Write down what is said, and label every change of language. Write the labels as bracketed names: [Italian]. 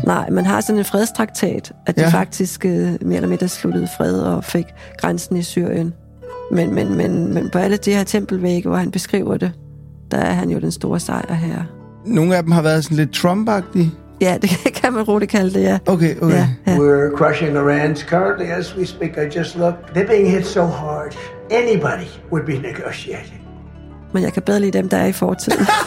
[Danish] Nej, man har sådan en fredstraktat, at de faktisk mere eller mindre sluttede fred og fik grænsen i Syrien. Men på alle de her tempelvægge, hvor han beskriver det, der er han jo den store sejr her. Nogle af dem har været sådan lidt Trump-agtige. Ja, det kan man roligt kalde det, ja. Okay. Ja, ja. [English] We're crushing Iran's currently as we speak. I just look. They're being hit so hard. Anybody would be negotiating. [Danish] Men jeg kan bedre lide dem, der er i fortiden.